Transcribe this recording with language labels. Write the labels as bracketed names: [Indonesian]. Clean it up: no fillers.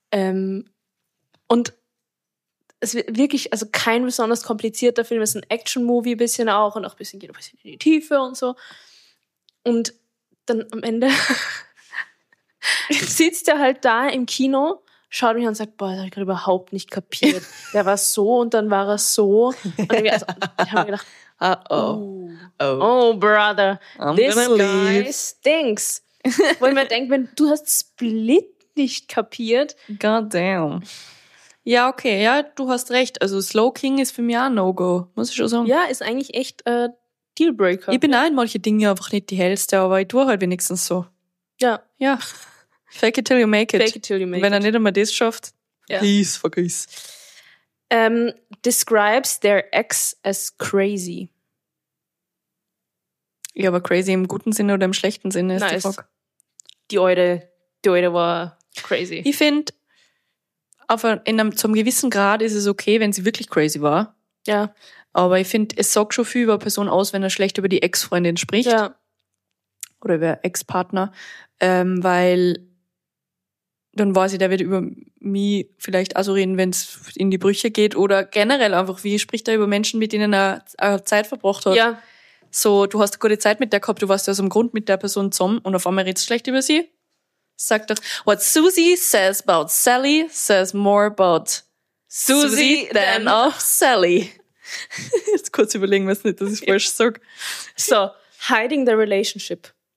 [German] Und es wird wirklich, also kein besonders komplizierter Film, es ist ein Action-Movie bisschen auch und auch ein bisschen geht ein bisschen in die Tiefe und so. Und dann am Ende sitzt er halt da im Kino, schaut mich an und sagt, boah, das habe ich gerade überhaupt nicht kapiert. Der war so und dann war er so. Und also, ich habe mir gedacht, oh [English] brother, I'm this guy stinks. [German] Wo ich mir denke, wenn du hast Split nicht kapiert. [English] God damn. [German] Ja, okay, ja, du hast recht. Also Slow King ist für mich auch ein No-Go, muss ich schon sagen. Ja, ist eigentlich echt... Dealbreaker. Ich bin auch in manche Dinge einfach nicht die hellste, aber ich tue halt wenigstens so. Ja. Ja. [English] Fake it till you make it. Fake it till you make it. [German] Wenn er nicht einmal das schafft, vergiss, vergiss. [English] Describes their ex as crazy. [German] Ja, aber crazy im guten Sinne oder im schlechten Sinne ist die Frage. Die Eude war crazy. Ich finde, zum gewissen Grad ist es okay, wenn sie wirklich crazy war. Ja. Aber ich finde, es sagt schon viel über Person aus, wenn er schlecht über die Ex-Freundin spricht. Ja. Oder über Ex-Partner. Weil dann weiß ich, der wird über mich vielleicht auch so reden, wenn es in die Brüche geht. Oder generell einfach, wie spricht er über Menschen, mit denen er Zeit verbracht hat? Ja. So, du hast eine gute Zeit mit der gehabt, du warst aus dem Grund mit der Person zusammen und auf einmal redest du schlecht über sie. Sagt er, [English] what Susie says about Sally says more about Susie than of Sally. [German] Jetzt kurz überlegen, was nicht, dass ich falsch sage. [English] So, hiding the relationship.